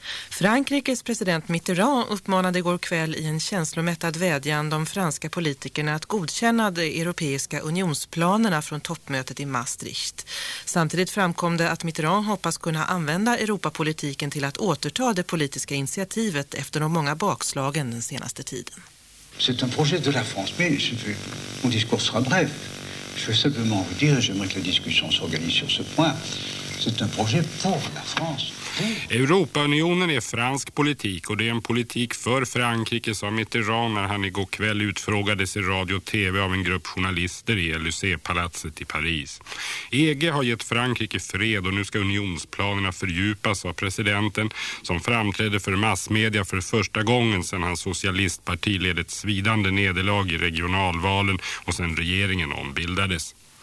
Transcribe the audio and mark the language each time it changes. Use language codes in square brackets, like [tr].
[sv] Frankrikes president Mitterrand uppmanade igår kväll i en känslomättad vädjan de franska politikerna att godkänna de europeiska unionsplanerna från toppmötet i Maastricht. Samtidigt framkom det att Mitterrand hoppas kunna använda Europapolitiken till att återta det politiska initiativet efter de många bakslagen den senaste tiden. [fr] C'est un projet de la France, mais je veux, mon discours sera bref. Je veux simplement vous dire, j'aimerais que la discussion s'organise sur ce point. C'est un projet pour la France. [sv] Europaunionen är fransk politik och det är en politik för Frankrike, sa Mitterrand när han igår kväll utfrågades i radio och tv av en grupp journalister i Elysée-palatset i Paris. EG har gett Frankrike fred och nu ska unionsplanerna fördjupas av presidenten som framträdde för massmedia för första gången sedan hans socialistparti led ett svidande nederlag i regionalvalen och sedan regeringen ombildades.